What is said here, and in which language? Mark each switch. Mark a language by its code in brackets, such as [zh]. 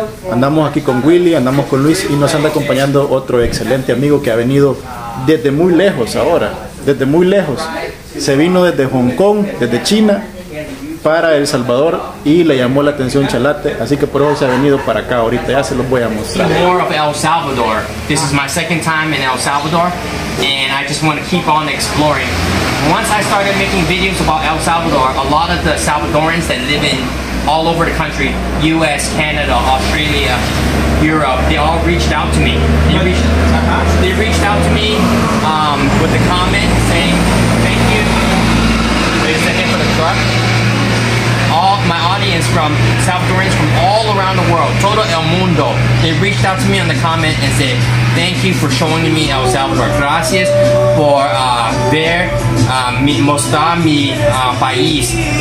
[es] Andamos aquí con Willy, andamos con Luis y nos anda acompañando otro excelente amigo que ha venido desde muy lejos ahora, desde muy lejos. Se vino desde Hong Kong, desde China, para El Salvador y le llamó la atención Chalate, así que por eso se ha venido para acá ahorita, ya se los voy a mostrar. [en] More of El Salvador. This is my second time in El Salvador and I just want to keep on exploring. Once I started making videos about El Salvador, a lot of the Salvadorans that live in all over the country, US, Canada, Australia, Europe, they all reached out to me. They reached out to me with a comment saying, thank you. They sent in for the truck. All my audience from Salvadorans from all around the world, [es] todo el mundo, [en] they reached out to me on the comment and said, thank you for showing me El Salvador. [es] Gracias por ver, mostrar mi país.